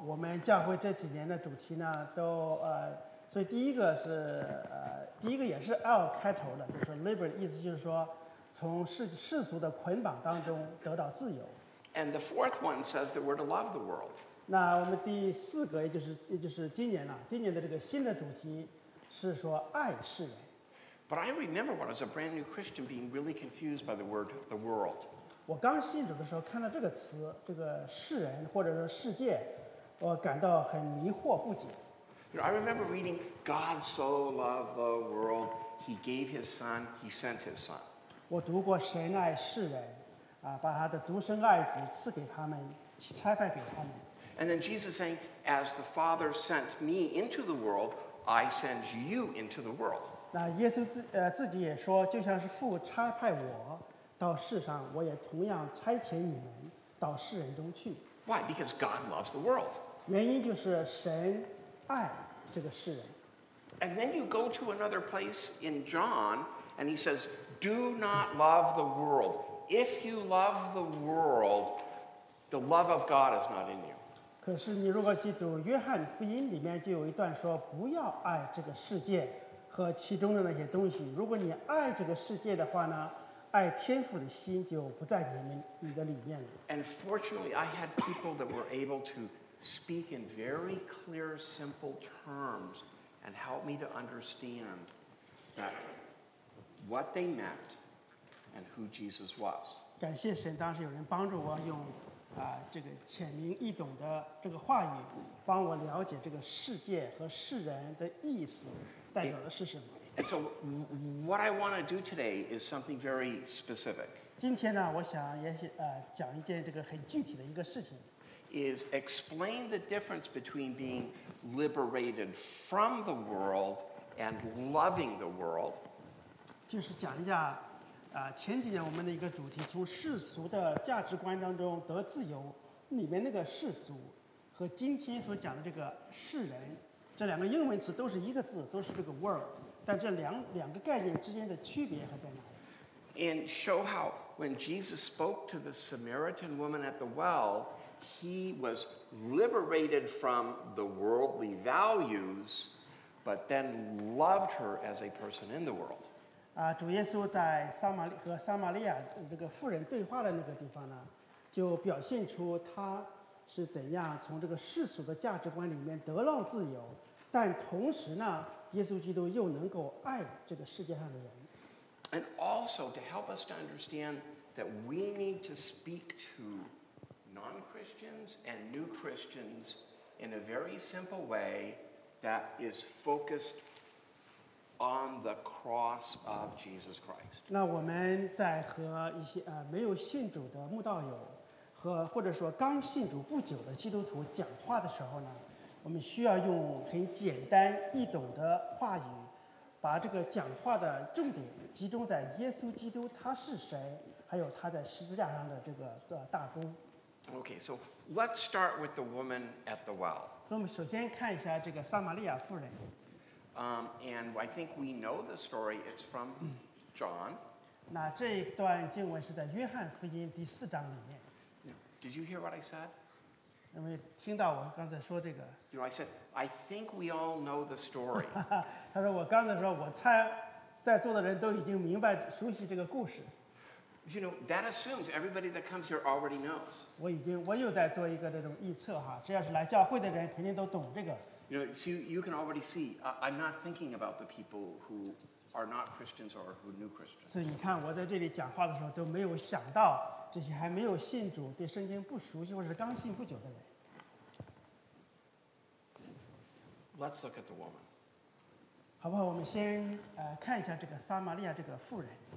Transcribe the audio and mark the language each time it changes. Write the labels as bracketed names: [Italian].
[Chinese] 我们教会这几年的主题呢都所以第一个是第一个也是 L 开头的，就是 liberate， 意思就是说从世俗的捆绑当中得到自由。 [English] And the fourth one says that we're to love the world. [Chinese] 那我们第四个也就是今年了，今年的这个新的主题是说爱世人。 [English] But I remember when I was a brand new Christian being really confused by the word the world. [Chinese] 我刚信主的时候看到这个词，这个世人或者说世界，我感到很迷惑不解。 [English] You know, I remember reading, God so loved the world, he gave his son, he sent his son. [Chinese] 我读过神爱世人，把他的独生爱子赐给他们，差派给他们。 [English] And then Jesus saying, "As the Father sent me into the world, I send you into the world." [Chinese] 那耶稣自己也说，就像是父差派我到世上，我也同样差遣你们到世人中去。 [English] Why? Because God loves the world. [Chinese] 原因就是神爱这个世人。 [English] And then you go to another place in John, and he says. Do not love the world. If you love the world, the love of God is not in you. [Chinese] 可是你如果记住约翰福音里面就有一段说不要爱这个世界和其中的那些东西，如果你爱这个世界的话呢，爱天父的心就不在你的里面了。 [English] And fortunately, I had people that were able to speak in very clear, simple terms and help me to understand that. What they meant and who Jesus was. [Chinese] 感谢神，当时有人帮助我用这个浅明易懂的这个话语，帮我了解这个世界和世人的意思代表的是什么。 [English] And so, what I want to do today is something very specific. [Chinese] 今天呢，我想也讲一件这个很具体的一个事情。 [English] Is explain the difference between being liberated from the world and loving the world. [Chinese] 就是讲一下前几年我们的一个主题从世俗的价值观当中得自由里面那个世俗和今天所讲的这个世人这两个英文词都是一个字都是这个 world 但这两个概念之间的区别还在哪里 [English] And show how when Jesus spoke to the Samaritan woman at the well he was liberated from the worldly values but then loved her as a person in the world [Chinese] 主耶稣在和撒玛利亚这个妇人对话的那个地方呢，就表现出他是怎样从这个世俗的价值观里面得到自由，但同时呢，耶稣基督又能够爱这个世界上的人。 [English] And also to help us to understand that we need to speak to non-Christians and new Christians in a very simple way that is focused. On the cross of Jesus Christ. [Chinese] 那我们在和一些没有信主的慕道友和或者说刚信主不久的基督徒讲话的时候呢，我们需要用很简单易懂的话语，把这个讲话的重点集中在耶稣基督他是谁，还有他在十字架上的这个大功。 [English] Okay, so let's start with the woman at the well. [Chinese] 所以我们首先看一下这个撒玛利亚妇人。 [English] And I think we know the story. It's from John. [Chinese] 那这一段经文是在约翰福音第四章里面。 [English] Did you hear what I said? [Chinese] 有没有听到我刚才说这个？ [English] You know, I said, I think we all know the story. [Chinese] 他说我刚才说，我猜在座的人都已经明白、熟悉这个故事。 [English] You know, that assumes everybody that comes here already knows. [Chinese] 我又在做一个这种预测哈，只要是来教会的人，肯定都懂这个。 [English] You know, so you can already see, I'm not thinking about the people who are not Christians or who knew Christians. [Chinese] 所以你看，我在这里讲话的时候都没有想到这些还没有信主、对圣经不熟悉或是刚信不久的人。 [English] Let's look at the woman. [Chinese] 好不好？我们先看一下这个撒玛利亚这个妇人。